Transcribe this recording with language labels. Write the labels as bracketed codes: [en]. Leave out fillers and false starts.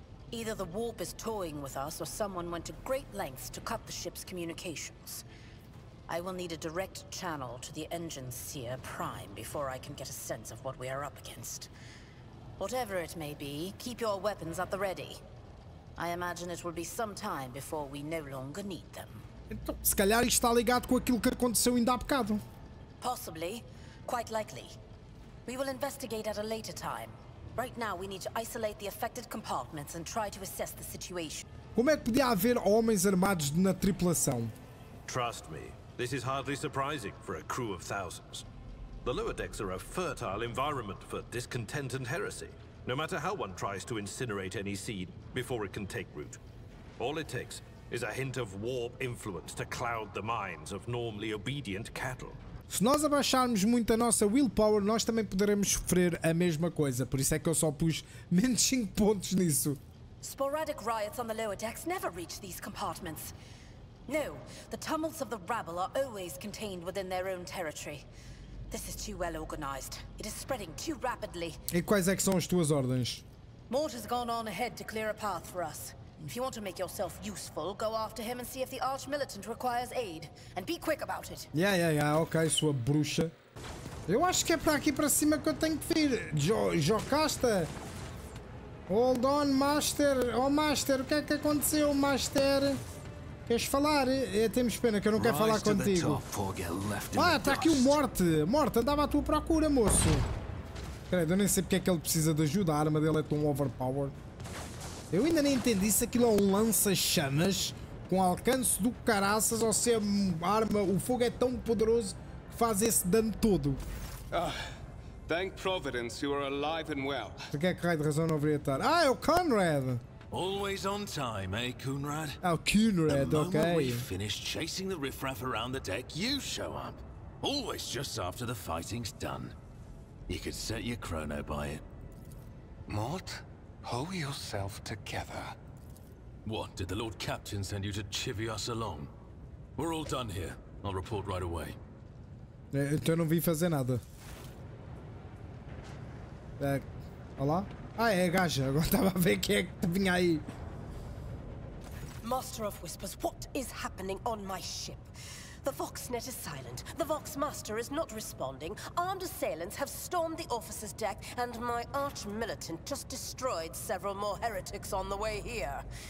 [en] Either the warp is toying with us, or someone went to great lengths to cut the ship's communications. I will need a direct channel to the engine seer Prime before I can get a sense of what we are up against. Whatever it may be, keep your weapons at the ready. I imagine it will be some time before we no longer need them. [pt] Então, se calhar isto está ligado com aquilo que aconteceu ainda há bocado. [en] Possibly, quite likely. We will investigate at a later time. Right now we need to isolate the affected compartments and try to assess the situation. [pt] Como é que podia haver homens armados na tripulação? [en] Trust me, this is hardly surprising for a crew of thousands. The lower decks are a fertile environment for discontent and heresy, no matter how one tries to incinerate any seed before it can take root. All it takes is a hint of warp influence to cloud the minds of normally obedient cattle. [pt] Se nós abaixarmos muito a nossa willpower, nós também poderemos sofrer a mesma coisa. Por isso é que eu só pus menos 5 pontos nisso. [en] Sporadic riots on the lower decks never reach these compartments. No, the tumults of the rabble are always contained within their own territory. This is too well organized. It is spreading too rapidly. E quais é que são as tuas ordens? Mort has gone on ahead to clear a path for us. If you want to make yourself useful, go after him and see if the Arch-Militant requires aid. And be quick about it. Yeah, yeah, yeah, ok, [pt] sua bruxa. Eu acho que é para aqui para cima que eu tenho que vir. Jocasta! [en] Hold on, [pt] Master! Oh, Master, o que é que aconteceu, Master? Queres falar? É, temos pena que eu não quero falar contigo. Ah, está aqui o Morte! Morte, andava à tua procura, moço! Credo, eu nem sei porque é que ele precisa de ajuda, a arma dele é tão overpowered. Eu ainda nem entendi se aquilo é um lança-chamas com alcance do caraças ou se a arma, o fogo é tão poderoso que faz esse dano todo. [en] Ah, thank Providence, you are alive and well. [pt] Por que é que raio de razão não deveria estar? Ah, é o Conrad! [en] Always on time, eh, Conrad? [pt] Ah, o Conrad, ok. [en] The moment we finish chasing the riffraff around the deck, you show up. Always just after the fighting's done. You could set your chrono by it. Mort? Hold yourself together. What? Did the Lord Captain send you to chivy us along? We're all done here. I'll report right away. [pt] Então não vim fazer nada. É, olá? Ah, é a gaja. Agora estava a ver quem é que vinha aí. [en] Master of Whispers, what is happening on my ship? The Voxnet is silent. The Voxmaster is not responding. Armed assailants have stormed the officer's deck, and my arch-militant just destroyed several more heretics on the way here.